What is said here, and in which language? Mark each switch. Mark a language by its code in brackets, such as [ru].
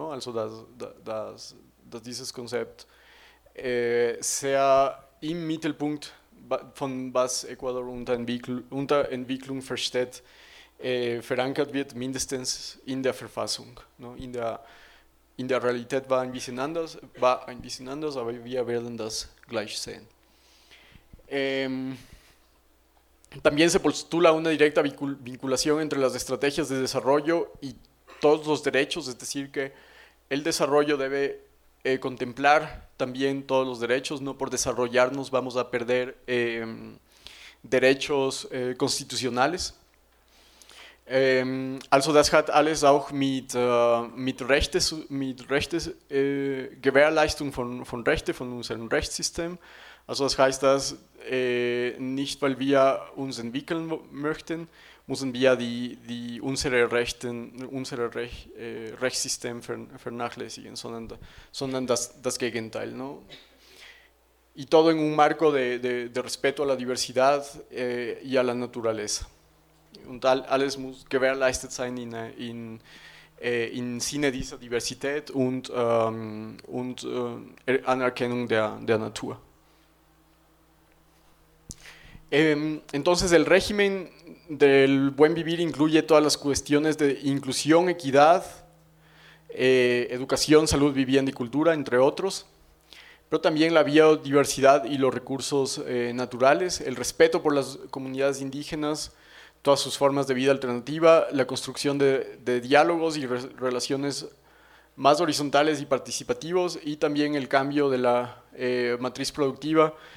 [de] Also dass dieses Konzept sehr im Mittelpunkt von was Ecuador unter Entwicklung versteht, verankert wird, mindestens in der Verfassung. Ne? In der Realität war ein bisschen anders, aber wir werden das gleich sehen. [es] También se postula una directa vinculación entre las estrategias de desarrollo y todos los derechos, es decir, que el desarrollo debe contemplar también todos los derechos, no por desarrollarnos vamos a perder derechos constitucionales. [de] Also das hat alles auch mit Gewährleistung von Rechte, von unserem Rechtssystem. Also das heißt, dass nicht weil wir uns entwickeln möchten, müssen wir Rechtssystem vernachlässigen, sondern das Gegenteil, ¿no? [es] Y todo en un marco de respeto a la diversidad y a la naturaleza. [de] Und alles muss gewährleistet sein in Sinne dieser Diversität und Anerkennung der Natur. [es] Entonces el régimen del buen vivir incluye todas las cuestiones de inclusión, equidad, educación, salud, vivienda y cultura, entre otros, pero también la biodiversidad y los recursos naturales, el respeto por las comunidades indígenas, todas sus formas de vida alternativa, la construcción de diálogos y relaciones más horizontales y participativos y también el cambio de la matriz productiva.